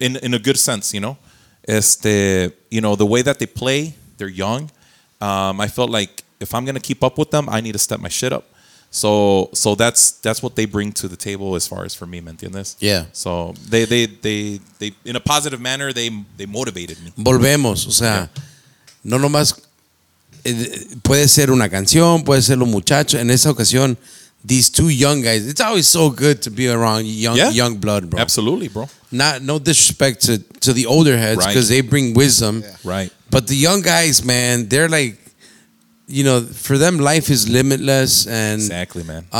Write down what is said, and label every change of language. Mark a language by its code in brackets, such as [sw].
[en] And in a good sense, you know, you know, the way that they play, they're young. I felt like if I'm gonna keep up with them, I need to step my shit up. So that's what they bring to the table as far as for me, ¿me entiendes? Yeah. So they in a positive manner they motivated me. [es] Volvemos, o sea, no nomás puede ser una canción, puede ser los muchachos. En esa ocasión. [en] These two young guys, it's always so good to be around young blood, bro. Absolutely, bro. No disrespect to the older heads because right. they bring wisdom. Yeah. Right. But the young guys, man, they're like, you know, for them, life is limitless. And exactly, man.